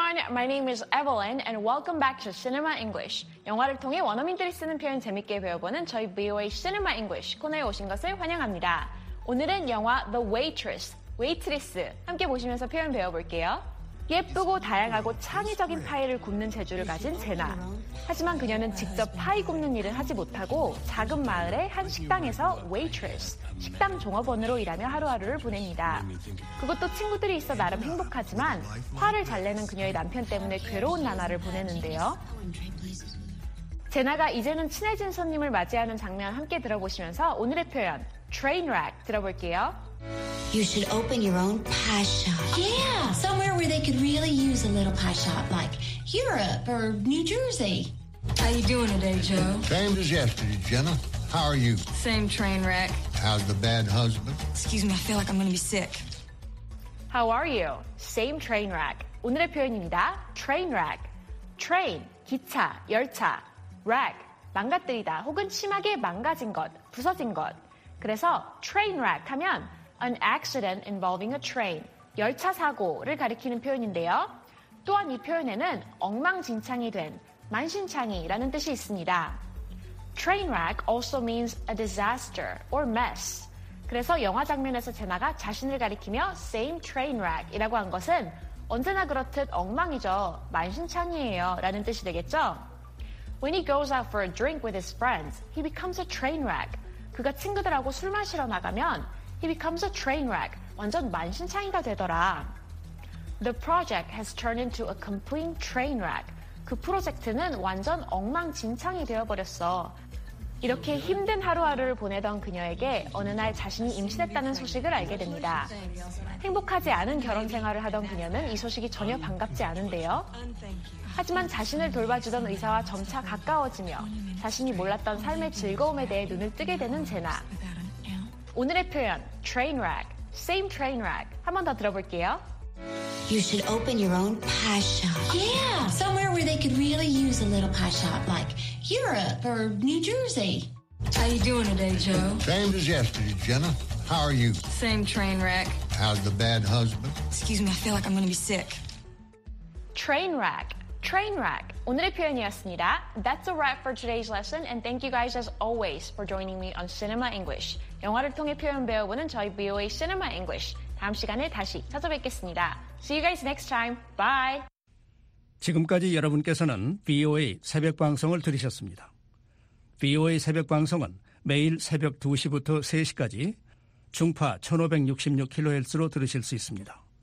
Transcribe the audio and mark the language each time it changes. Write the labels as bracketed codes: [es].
[en] My name is Evelyn and welcome back to Cinema English. [ko] 영화를 통해 원어민들이 쓰는 표현 재밌게 배워보는 저희 BOA Cinema English 코너에 오신 것을 환영합니다. 오늘은 영화 The Waitress, 웨이트리스 함께 보시면서 표현 배워볼게요. 예쁘고 다양하고 창의적인 파이를 굽는 재주를 가진 제나. 하지만 그녀는 직접 파이 굽는 일을 하지 못하고 작은 마을의 한 식당에서 waitress, 식당 종업원으로 일하며 하루하루를 보냅니다. 그것도 친구들이 있어 나름 행복하지만 화를 잘 내는 그녀의 남편 때문에 괴로운 나날을 보내는데요. 제나가 이제는 친해진 손님을 맞이하는 장면 함께 들어보시면서 오늘의 표현, train wreck 들어볼게요. [en] You should open your own pie shop. Yeah, somewhere where they could really use a little pie shop, like Europe or New Jersey. How you doing today, Joe? Same as yesterday, Jenna. How are you? Same train wreck. How's the bad husband? Excuse me, I feel like I'm going to be sick. How are you? Same train wreck. [ko] 오늘의 표현입니다. [en] Train wreck. [ko] Train, 기차, 열차. Wreck, 망가뜨리다 혹은 심하게 망가진 것, 부서진 것. 그래서 train wreck 하면 [en] An accident involving a train, [ko] 열차 사고를 가리키는 표현인데요. 또한 이 표현에는 엉망진창이 된, 만신창이라는 뜻이 있습니다. [en] Train wreck also means a disaster or mess. [ko] 그래서 영화 장면에서 제나가 자신을 가리키며 same train wreck이라고 한 것은 언제나 그렇듯 엉망이죠, 만신창이에요 라는 뜻이 되겠죠. [en] When he goes out for a drink with his friends, he becomes a train wreck. [ko] 그가 친구들하고 술 마시러 나가면 [en] He becomes a train wreck. [ko] 완전 만신창이가 되더라. [en] The project has turned into a complete train wreck. [ko] 그 프로젝트는 완전 엉망진창이 되어버렸어. 이렇게 힘든 하루하루를 보내던 그녀에게 어느 날 자신이 임신했다는 소식을 알게 됩니다. 행복하지 않은 결혼 생활을 하던 그녀는 이 소식이 전혀 반갑지 않은데요. 하지만 자신을 돌봐주던 의사와 점차 가까워지며 자신이 몰랐던 삶의 즐거움에 대해 눈을 뜨게 되는 제나. 오늘의 표현, train wreck, same train wreck. 한 번 더 들어볼게요. [en] You should open your own pie shop. Yeah, somewhere where they could really use a little pie shop, like Europe or New Jersey. How you doing today, Joe? Same as yesterday, Jenna. How are you? Same train wreck. How's the bad husband? Excuse me, I feel like I'm going to be sick. Train wreck, train wreck. [ko] 오늘의 표현이었습니다. [en] That's a wrap for today's lesson, and thank you guys as always for joining me on Cinema English. [ko] 영화를 통해 표현 배워보는 저희 BOA Cinema English. 다음 시간에 다시 찾아뵙겠습니다. [en] See you guys next time. Bye! [ko] 지금까지 여러분께서는 BOA 새벽 방송을 들으셨습니다. BOA 새벽 방송은 매일 새벽 2시부터 3시까지 중파 1566kHz로 들으실 수 있습니다.